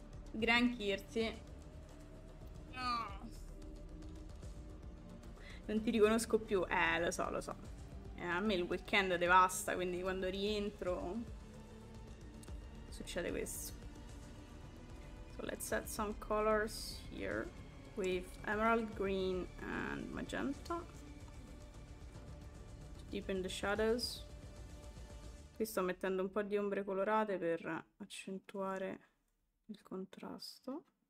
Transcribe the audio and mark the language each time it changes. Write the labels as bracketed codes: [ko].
[it] Gran Kirsi. Non ti riconosco più. Lo so, lo so. A me il weekend devasta, quindi quando rientro succede questo. [en] So let's add some colors here with emerald green and magenta to deepen the shadows. [it] Qui sto mettendo un po' di ombre colorate per accentuare il contrasto.